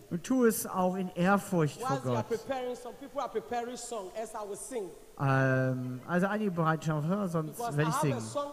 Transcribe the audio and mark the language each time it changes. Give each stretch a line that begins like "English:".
German: Und tu es auch in Ehrfurcht vor Gott.
English: While you are preparing, some people are preparing song as I will sing.
German: Also einige bereit schon auf, sonst werde ich singen.